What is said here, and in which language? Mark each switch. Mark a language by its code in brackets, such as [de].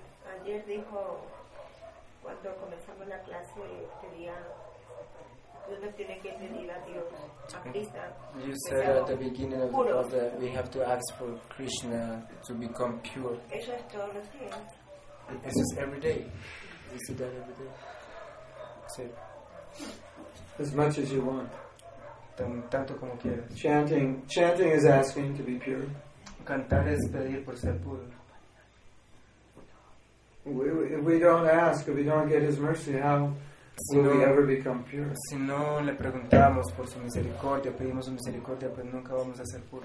[es] Ayer dijo, cuando comenzamos la clase, quería, uno tiene que pedir a Dios, a Krishna. [en] You said at the beginning of the class that we have to ask for Krishna to become pure. [es] Eso es todos los días. [en] It's just every day. You see that every day. Say. As much as you want. [es] Tanto como quieras. [en] Chanting is asking to be pure. [es] Cantar es pedir por ser puro. [en] We don't ask, if we don't get his mercy, how will we ever become pure? [es] Si no le preguntamos por su misericordia, pedimos su misericordia, pues nunca vamos a ser puros.